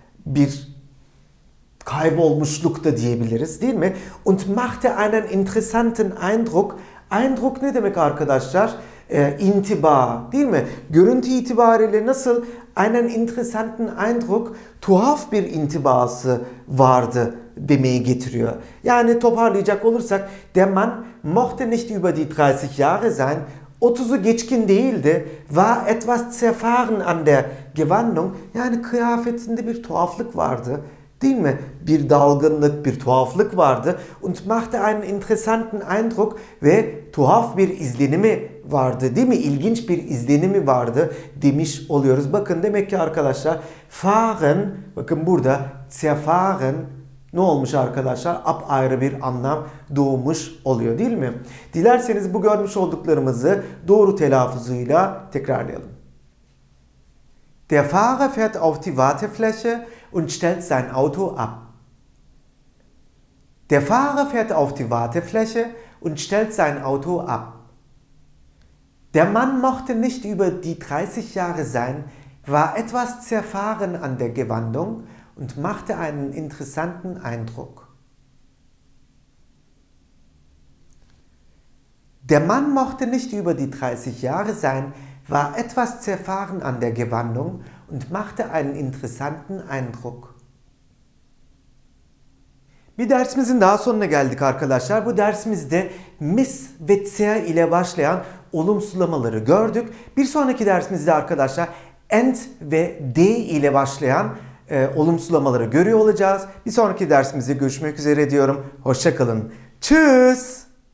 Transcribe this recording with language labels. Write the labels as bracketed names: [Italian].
[Turkish] Bir kaybolmuşluk da diyebiliriz değil mi? [German] Und machte einen interessanten Eindruck. [Turkish] Eindruck ne demek arkadaşlar? İntiba değil mi? Görüntü itibariyle nasıl? [German] Einen interessanten Eindruck, [Turkish] tuhaf bir intibası vardı demeyi getiriyor. Yani toparlayacak olursak, [German] der Mann mochte nicht über die 30 Jahre sein, [Turkish] 30'u geçkin değildi, [German] war etwas zerfahren an der Gewandung, [Turkish] yani kıyafetinde bir tuhaflık vardı değil mi? Bir dalgınlık, bir tuhaflık vardı [German] und machte einen interessanten Eindruck [Turkish] ve tuhaf bir izlenimi vardı değil mi? İlginç bir izlenimi vardı demiş oluyoruz. Bakın demek ki arkadaşlar fahren, bakın burada zerfahren ne olmuş arkadaşlar? Apayrı bir anlam doğmuş oluyor değil mi? Dilerseniz bu görmüş olduklarımızı doğru telaffuzuyla tekrarlayalım. [German] Der Fahrer fährt auf die Wartefläche und stellt sein Auto ab. Der Fahrer fährt auf die Wartefläche und stellt sein Auto ab. Der Mann mochte nicht über die 30 Jahre sein, war etwas zerfahren an der Gewandung und machte einen interessanten Eindruck. Der Mann mochte nicht über die 30 Jahre sein, war etwas zerfahren an der Gewandung und machte einen interessanten Eindruck. [Turkish] Bir dersimizin daha sonuna geldik arkadaşlar. Bu dersimizde mis ve zer ile başlayan olumsuzlamaları gördük. Bir sonraki dersimizde arkadaşlar and ve de ile başlayan olumsuzlamaları görüyor olacağız. Bir sonraki dersimizde görüşmek üzere diyorum. Hoşça kalın. Tschüss.